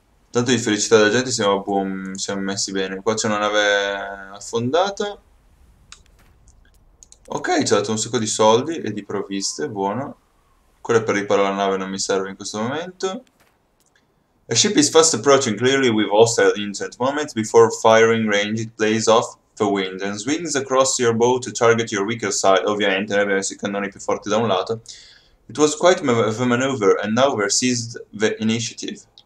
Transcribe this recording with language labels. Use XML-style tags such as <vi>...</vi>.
<it>Tanto di felicità della gente siamo a boom, siamo messi bene. Qua c'è una nave affondata. Ok, ci ha dato un sacco di soldi e di provviste, buono. Quella per riparare la nave non mi serve in questo momento.</it> <en>A ship is fast approaching, clearly with hostile intent. Moments before firing range, it plays off the wind and swings across your bow to target your weaker side.</en> <it>Ovviamente, abbiamo messo i cannoni più forti da un lato.</it> <en>It was quite a maneuver and now we're seized the initiative.</en>